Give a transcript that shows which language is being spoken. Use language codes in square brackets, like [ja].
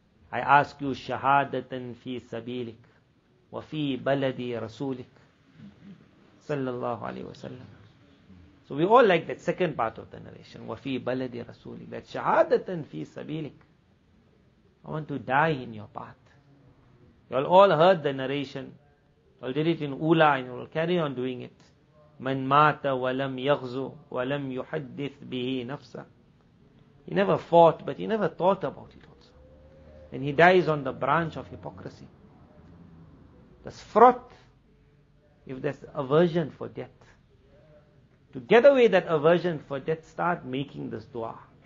[en] I ask you, [ar] shahadatan fi sabilik, wa fi baladi rasulik, [en] sallallahu alayhi wa sallam. So we all like that second part of the narration, [ar] wa fi baladi rasulik, [en] that [ar] shahadatan fi sabilik. [en] I want to die in your path. You'll all heard the narration. You'll did it in Ula and you'll carry on doing it. [ar] من مات ولم يغزو ولم يحدث به نفسه. [en] He never fought, but he never thought about it also. And he dies on the branch of hypocrisy. That's fraught if there's aversion for death. To get away that aversion for death, start making this dua.